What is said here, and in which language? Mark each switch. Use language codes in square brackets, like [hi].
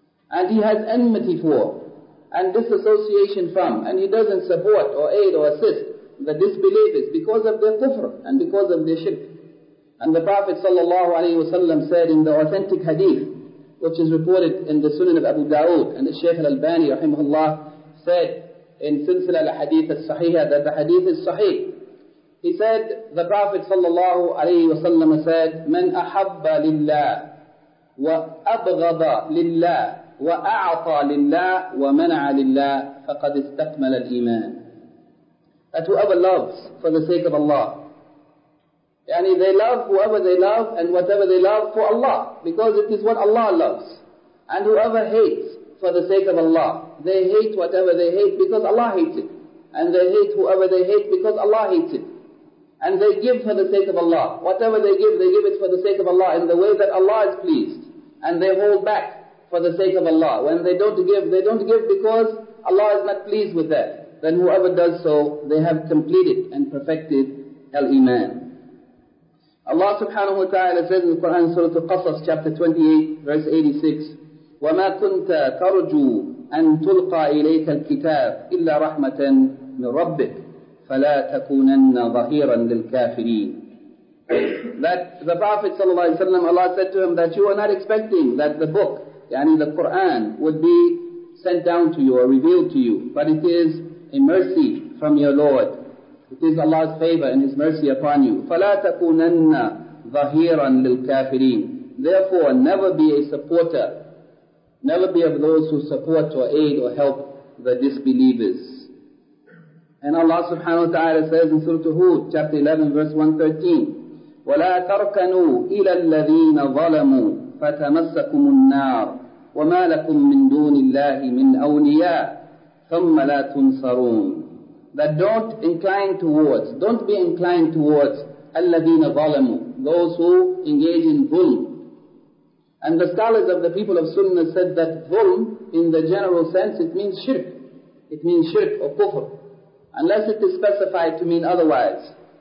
[en] And he has enmity for and disassociation from, and he doesn't support or aid or assist the disbelievers because of their kufr and because of their shirk. And the Prophet ﷺ said in the authentic hadith, which is reported in the Sunan of Abu Dawud, and the Shaykh al-Albani rahimahullah said in Silsila al-Hadith al-Sahiha that the hadith is sahih. He said, the Prophet ﷺ said, [ar] من أحب لله وأبغض لله وأعطى لله ومنع لله فقد استكمل الإيمان. [en] That whoever loves for the sake of Allah. Yani they love whoever they love and whatever they love for Allah, because it is what Allah loves. And whoever hates for the sake of Allah, they hate whatever they hate because Allah hates it. And they hate whoever they hate because Allah hates it. And they give for the sake of Allah. Whatever they give it for the sake of Allah in the way that Allah is pleased. And they hold back for the sake of Allah. When they don't give because Allah is not pleased with that. Then whoever does so, they have completed and perfected al-Iman. Allah subhanahu wa ta'ala says in the Quran, Surah Al-Qasas, chapter 28, verse 86, [ar] وَمَا كُنْتَ تَرْجُو أَن تُلْقَى إِلَيْكَ الْكِتَابِ إِلَّا رَحْمَةً مِنْ رَبِّكَ فَلَا تَكُونَنَّ ظَهِيرًا لِلْكَافِرِينَ. [en] That the Prophet sallallahu alayhi wa sallam, Allah said to him that you were not expecting that the book, yani the Quran, would be sent down to you or revealed to you, but it is a mercy from your Lord. It is Allah's favor and His mercy upon you. [ar] فَلَا تَكُونَنَّ ظَهِيرًا لِلْكَافِرِينَ. [en] Therefore, never be a supporter, never be of those who support or aid or help the disbelievers. And Allah subhanahu wa ta'ala says in Surah Hud, chapter 11, verse 113, [ar] وَلَا تَرْكَنُوا إِلَى الَّذِينَ ظَلَمُوا فَتَمَسَّكُمُ النَّارُ وَمَا لَكُم مِّن دُونِ اللَّهِ مِنْ أَوْلِيَاءَ ثُمَّ لَا تُنصَرُونَ. [en] That don't incline towards, don't be inclined towards [ar] الَّذِينَ ظَلَمُوا, [en] those who engage in ظُلْم. And the scholars of the people of Sunnah said that ظُلْم, in the general sense, it means shirk. It means shirk or kufr, unless it is specified to mean otherwise.